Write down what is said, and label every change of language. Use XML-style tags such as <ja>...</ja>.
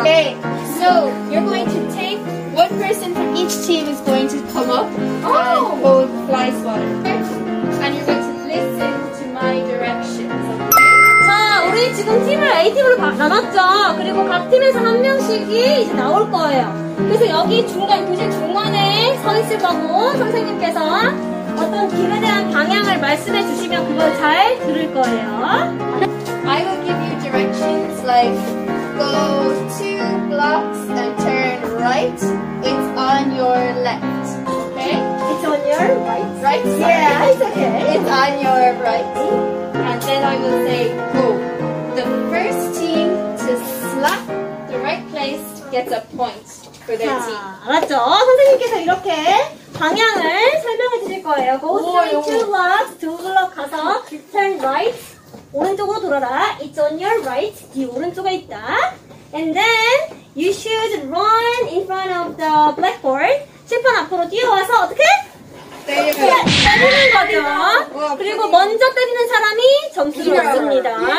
<en>Okay, so you're going to take one person from each team is going to come up and hold fly swatter. And you're going to listen to my directions.</en> <ko>자, 우리 지금 팀을 A 팀으로 나눴죠. 그리고 각 팀에서 한 명씩이 이제 나올 거예요. 그래서 여기 중간 교실 중간에 서 있을 거고 선생님께서 어떤 김에 대한 방향을 말씀해 주시면 그걸 잘 들을 거예요.</ko> <en>I will give you directions like go two blocks and turn right. It's on your left. Okay? It's on your right. Right side. Yeah, it's okay. It's on your right. And then I will say go. The first team to slap the right place gets a point.</en> <ko>자, 알았죠? 선생님께서 이렇게 방향을 설명해 주실 거예요.</ko> <en>Go straight two blocks, two blocks</en> <ko>가서</ko> <en>turn right,</en> <ko>오른쪽으로 돌아라.</ko> <en>It's on your right,</en> <ko>뒤 오른쪽에 있다.</ko> <en>And then you should run in front of the blackboard.</en> <ko>칠판 앞으로 뛰어와서 어떻게? 때리는 거죠. 그리고 먼저 때리는 사람이 점수를 얻습니다.</ko>